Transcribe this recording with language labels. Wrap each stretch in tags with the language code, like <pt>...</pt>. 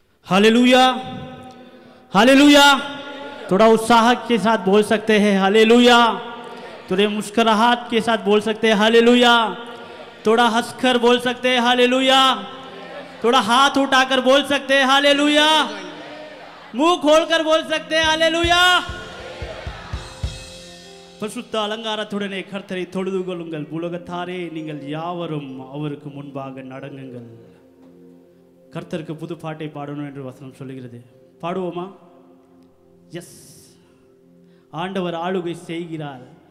<ta>ஹல்லேலூயா, hallelujah.</ta> <hi>थोड़ा उत्साह के साथ बोल सकते हैं हालेलुया. थोड़े मुस्कुराहट के साथ बोल सकते हैं हालेलुया. थोड़ा हंसकर बोल सकते हैं हालेलुया. थोड़ा हाथ उठाकर बोल सकते हैं हालेलुया. मुंह खोलकर बोल सकते हैं हालेलुया.</hi> <ta>பரிசுத்த அலங்காரத்துடனே கர்த்தரை தொழுது கொள்ளுங்கள். உலகத்தாரே, நீங்கள் யாவரும் அவருக்கு முன்பாக நடங்குங்கள். கர்த்தருக்கு புது பாட்டை பாடணும் என்று வசனம் சொல்கிறது. பாடுவோமா? எஸ். ஆண்டவர் ஆளுகை செய்கிறார்.</ta>